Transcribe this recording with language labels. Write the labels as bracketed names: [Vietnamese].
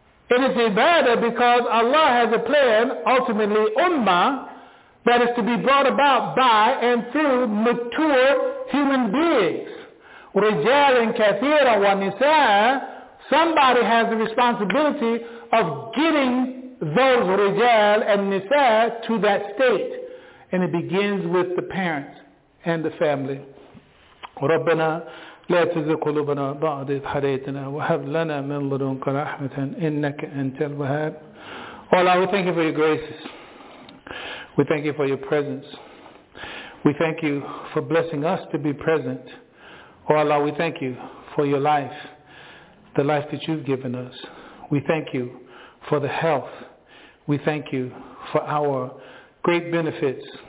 [English] It is ibadah because Allah has a plan, ultimately ummah, that is to be brought about by and through mature human beings. [Arabic] Rijalan kathira wa nisaa. [English] Somebody has the responsibility of getting those rijal and nisaa to that state. And it begins with the parents and the family. [Arabic] Rabbana لا تزغ قلوبنا بعد إذ هديتنا وهب لنا من لدنك رحمة إنك أنت الوهاب. [English] Oh Allah, we thank you for your graces. We thank you for your presence. We thank you for blessing us to be present. Oh Allah, we thank you for your life, the life that you've given us. We thank you for the health. We thank you for our great benefits.